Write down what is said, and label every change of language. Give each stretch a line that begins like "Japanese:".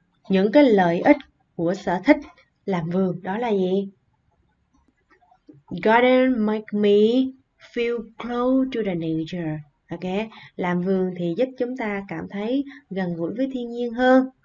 Vietnamese: Những cái lợi ích của sở thích làm vườn đó là gì?
English: Garden make me feel close to the nature.
Vietnamese: Ok, làm vườn thì giúp chúng ta cảm thấy gần gũi với thiên nhiên hơn.